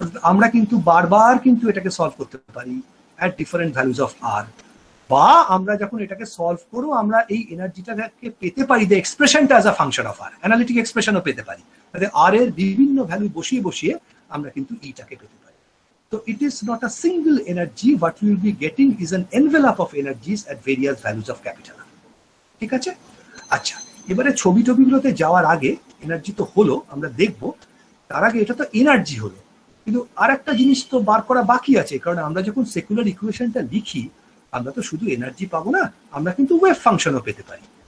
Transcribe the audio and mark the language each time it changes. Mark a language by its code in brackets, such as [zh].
[bn] আমরা কিন্তু বারবার কিন্তু এটাকে সলভ করতে পারি [en] at different values of R, [bn] বা আমরা যখন এটাকে সলভ করো আমরা এই এনার্জিটাকে পেতে পারি the এক্সপ্রেশনটা as a function of আর, analytic এক্সপ্রেশনও পেতে পারি, তাহলে আর এর বিভিন্ন ভ্যালু বসিয়ে বসিয়ে আমরা কিন্তু ইটাকে পেতে পারি। [en] So it is not a single energy, what we will be getting is an envelope of energies at various values of capital R. [bn] ঠিক আছে? আচ্ছা, এবারে ছবি টবিগুলোতে যাওয়ার আগে, এনার্জি তো হলো আমরা দেখবো, তার আগে এটা তো এনার্জি হলো, কিন্তু আর একটা জিনিস তো বার করা বাকি আছে, কারণ আমরা যখন সেকুলার ইকুয়েশনটা লিখি আমরা তো শুধু এনার্জি পাবো না, আমরা কিন্তু ওয়েভ ফাংশনও পেতে পারি।